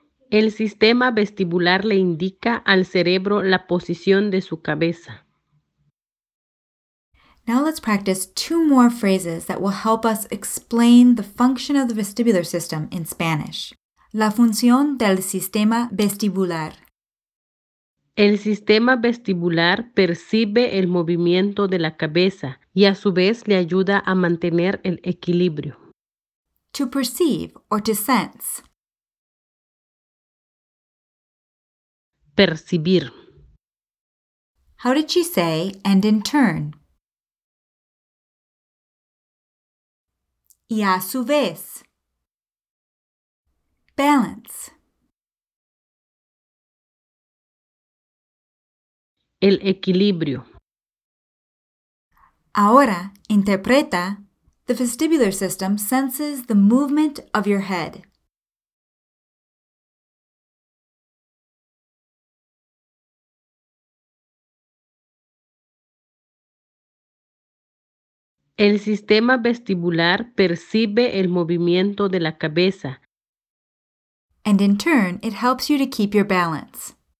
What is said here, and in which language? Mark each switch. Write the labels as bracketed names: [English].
[Spanish] El sistema vestibular le indica al cerebro la posición de su cabeza. [English] Now let's practice two more phrases that will help us explain the function of the vestibular system in Spanish. [Spanish] La función del sistema vestibular. El sistema vestibular percibe el movimiento de la cabeza y a su vez le ayuda a mantener el equilibrio. [English] To perceive or to sense. [Spanish] Percibir. [English] How did she say, and in turn? [Spanish] Y a su vez. [English] Balance. [Spanish] El equilibrio. Ahora, interpreta, [English] the vestibular system senses the movement of your head. [Spanish] El sistema vestibular percibe el movimiento de la cabeza. [English] And in turn, it helps you to keep your balance.